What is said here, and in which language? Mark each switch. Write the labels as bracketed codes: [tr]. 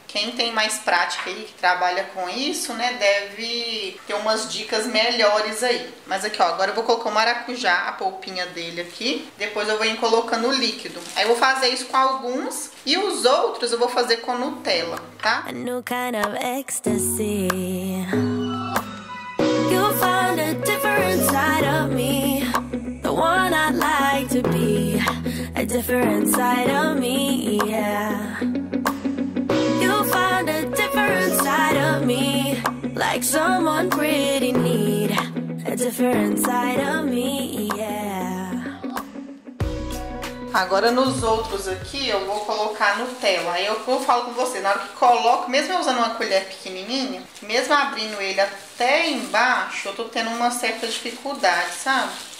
[pt] Quem tem mais prática aí, que trabalha com isso, né, deve ter umas dicas melhores aí. Mas aqui, ó, agora eu vou colocar o maracujá, a polpinha dele aqui. Depois eu venho colocando o líquido. Aí eu vou fazer isso com alguns e os outros eu vou fazer com Nutella, tá? [en] A new kind of ecstasy. You found a different side of me. The one I'd like to be. A different side of me, yeah. You'll find a different side of me, like someone pretty neat. A different side of me, yeah. [pt] Agora nos outros aqui eu vou colocar Nutella. Aí eu falo com você, na hora que coloco, mesmo usando uma colher pequenininha, mesmo abrindo ele até embaixo, eu tô tendo uma certa dificuldade, sabe?